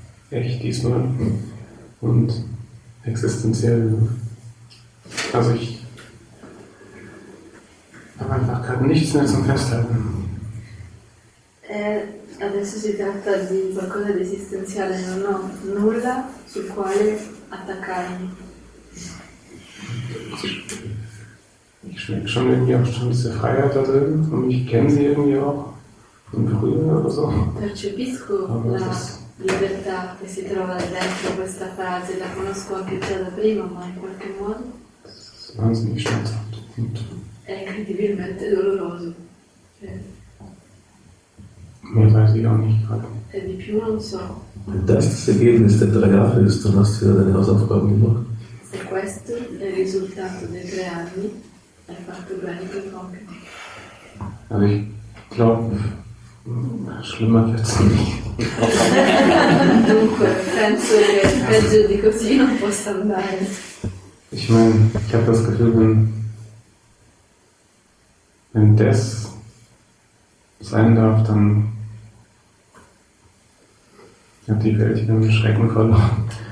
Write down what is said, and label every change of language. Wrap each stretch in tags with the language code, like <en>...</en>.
<de>Echt diesmal und existenziell. Also ich habe einfach gerade nichts mehr zum Festhalten.</de> <it>Adesso si tratta di qualcosa di esistenziale, non ho nulla sul quale attaccarmi.</it> <de>Ich schmecke schon irgendwie auch schon diese Freiheit da drin und ich kenne sie irgendwie auch von früher oder so.</de> <it>Percepisco la libertà che si trova dentro questa frase, la conosco anche già da prima, ma in qualche modo.</it> <de>Das ist wahnsinnig schmerzhaft.</de> <it>È incredibilmente doloroso.</it> <de>Mehr weiß ich auch nicht gerade.</de> <it>E di più non so.</it> <de>Das ist das Ergebnis der drei Jahre, ist, dann hast du ja deine Hausaufgaben gemacht.</de> <it>Se questo è il risultato dei tre anni, hai fatto bene i tuoi compiti.</it> <de>Aber ich glaube, schlimmer wird es nicht.</de> <it>Dunque, penso che peggio di così non possa andare.</it> <de>Ich meine, ich habe das Gefühl, wenn das sein darf, dann hat die Welt ihren Schrecken verloren.</de>